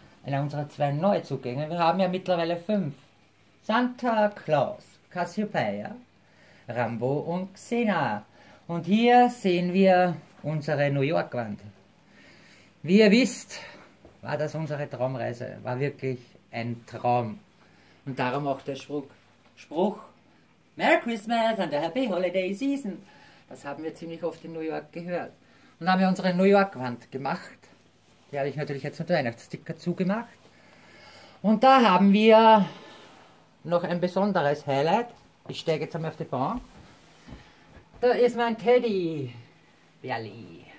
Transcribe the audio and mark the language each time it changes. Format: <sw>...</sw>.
<de>Einer unserer 2 Neuzugänge. Wir haben ja mittlerweile 5. Santa Claus, Cassiopeia, Rambo und Xena. Und hier sehen wir unsere New York-Wand. Wie ihr wisst, war das unsere Traumreise. War wirklich ein Traum. Und darum auch der Spruch,</de> <en>Merry Christmas and a happy holiday season.</en> <de>Das haben wir ziemlich oft in New York gehört. Und haben wir unsere New York-Wand gemacht. Die habe ich natürlich jetzt mit Weihnachtssticker zugemacht. Und da haben wir noch ein besonderes Highlight. Ich steige jetzt einmal auf die Bahn. Da ist mein Teddy. Berli.</de>